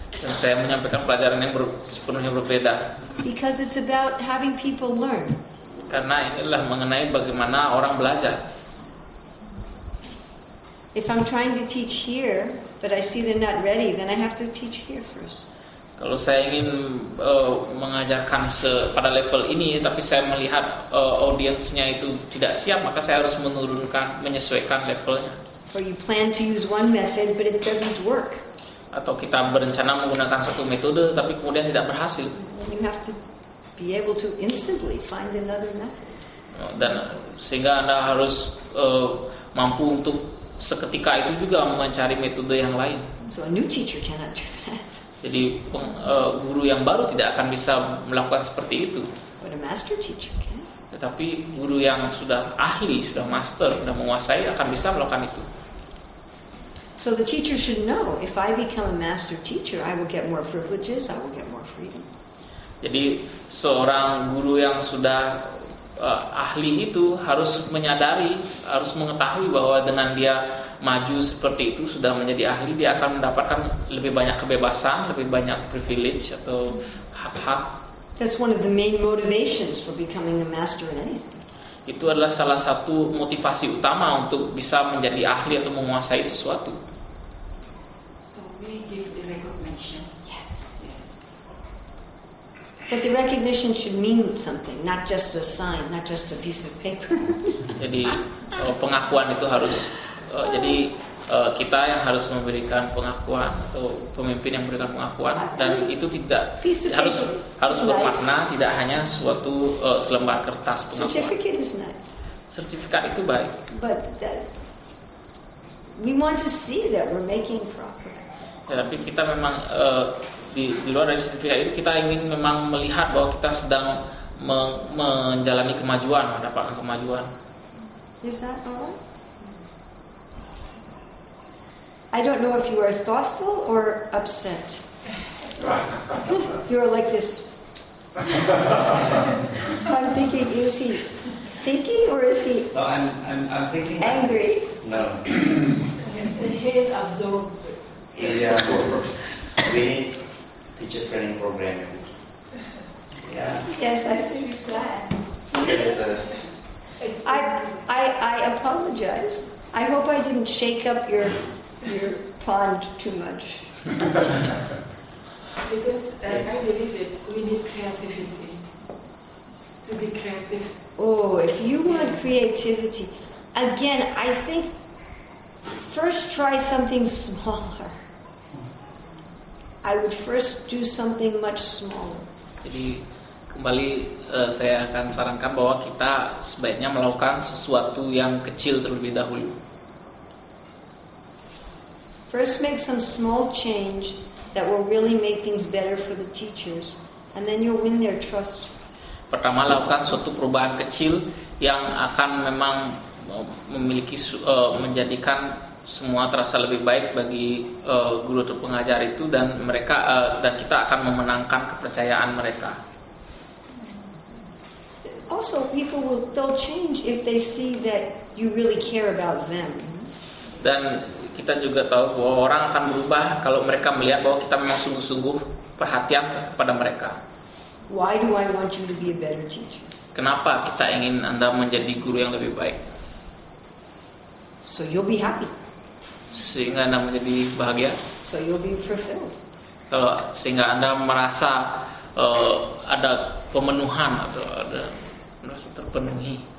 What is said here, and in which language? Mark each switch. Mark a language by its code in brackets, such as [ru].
[id] Dan saya menyampaikan pelajaran yang sepenuhnya berbeda. [en] Because it's about having people learn. [id] Karena inilah mengenai bagaimana orang belajar. [en] If I'm trying to teach here, but I see they're not ready, then I have to teach here first. [id] Kalau saya ingin mengajarkan pada level ini, tapi saya melihat audiensnya itu tidak siap, maka saya harus menyesuaikan levelnya. [en] Or you plan to use one method, but it doesn't work. [id] Atau kita berencana menggunakan satu metode, tapi kemudian tidak berhasil. [en] Then you have to be able to instantly find another method. [id] Dan sehingga Anda harus mampu untuk seketika itu juga mencari metode yang lain. [en] So a new teacher cannot do that. [id] Jadi guru yang baru tidak akan bisa melakukan seperti itu. [en] But a master teacher can. [id] Tetapi guru yang sudah ahli, sudah master, sudah menguasai akan bisa melakukan itu. [en] So the teacher should know if I become a master teacher, I will get more privileges, I will get more freedom. [id] Jadi seorang guru yang sudah ahli itu harus menyadari, harus mengetahui bahwa dengan dia maju seperti itu, sudah menjadi ahli, dia akan mendapatkan lebih banyak kebebasan, lebih banyak privilege atau hak-hak. [en] That's one of the main motivations for becoming a master in anything. [id] Itu adalah salah satu motivasi utama untuk bisa menjadi ahli atau menguasai sesuatu. [en] So we give the recognition. But the recognition should mean something, not just a sign, not just a piece of paper. [id] Jadi pengakuan itu harus jadi kita yang harus memberikan pengakuan atau pemimpin yang memberikan pengakuan, dan itu tidak harus bermakna tidak hanya suatu selembar kertas pengakuan. [en] Certificate is nice. [id] Sertifikat itu baik. [en] But that, we want to see that we're making progress. [id] Ya, tapi kita memang di luar dari sertifikat itu, kita ingin memang melihat bahwa kita sedang menjalani kemajuan, mendapatkan kemajuan. [en] Is that all? I don't know if you are thoughtful or upset. You're like this. So I'm thinking, is he thinking or is he I'm thinking angry? No. He is absorbed. Yeah, absorbed. We need teacher training program. Yeah. Yes, I think you're sad. I apologize. I hope I didn't shake up your pond too much. Because I believe it, we need creativity. To be creative. Oh, if you want creativity, again, I think first try something smaller. I would first do something much smaller. [id] Jadi kembali saya akan sarankan bahwa kita sebaiknya melakukan sesuatu yang kecil terlebih dahulu. [en] First make some small change that will really make things better for the teachers, and then you'll win their trust. [id] Pertama lakukan suatu perubahan kecil yang akan memang memiliki menjadikan semua terasa lebih baik bagi guru atau pengajar itu, dan mereka dan kita akan memenangkan kepercayaan mereka. [en] Also, people will they'll change if they see that you really care about them. [id] Dan kita juga tahu bahwa orang akan berubah kalau mereka melihat bahwa kita memang sungguh-sungguh perhatian kepada mereka. [en] Why do I want you to be a better teacher? [id] Kenapa kita ingin Anda menjadi guru yang lebih baik? [en] So you'll be happy. [id] Sehingga Anda menjadi bahagia. [en] So you'll be fulfilled. [id] Kalau sehingga Anda merasa ada pemenuhan atau ada merasa terpenuhi.